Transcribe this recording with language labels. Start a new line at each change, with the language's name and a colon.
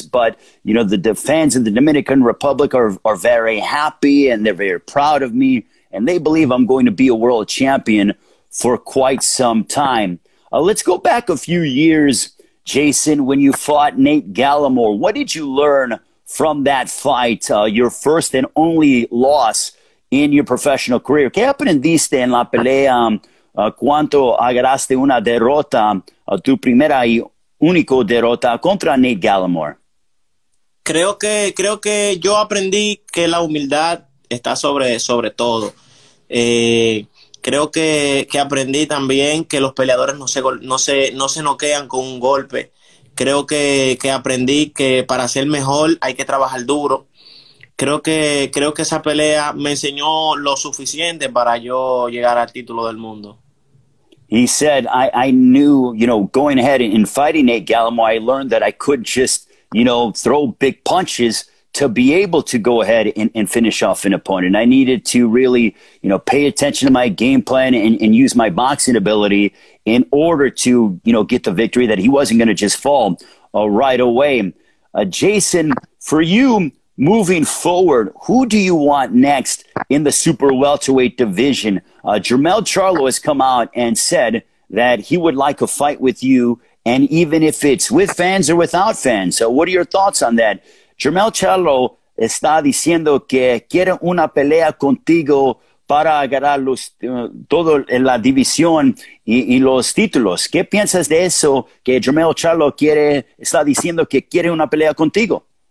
English: But the fans of the Dominican Republic are very happy and they're very proud of me, and they believe I'm going to be a world champion for quite some time. Let's go back a few years, Jason, when you fought Nate Gallimore. What did you learn from that fight, your first and only loss in your professional career?
Spanish: ¿Qué aprendiste en la pelea? ¿Cuánto agarraste una derrota, tu primera y única derrota contra Nate Gallimore? Creo que yo aprendí que la humildad está sobre todo. Creo que aprendí también que los peleadores no se noquean con un golpe. Creo que aprendí que para ser mejor hay que trabajar duro. Creo que esa pelea me enseñó lo suficiente para yo llegar al título del mundo.
English: He said, I knew, going ahead and fighting Nate Gallimore, I learned that I could just, throw big punches to be able to go ahead and finish off an opponent. I needed to really, pay attention to my game plan and use my boxing ability in order to, get the victory, that he wasn't going to just fall right away. Jason, for you, moving forward, who do you want next in the super welterweight division? Jermell Charlo has come out and said that he would like a fight with you, and even if it's with fans or without fans. So what are your thoughts on that?
Spanish: Jermell Charlo está diciendo que quiere una pelea contigo para agarrar todo en la división y los títulos. ¿Qué piensas de eso, que Jermell Charlo está diciendo que quiere una pelea contigo?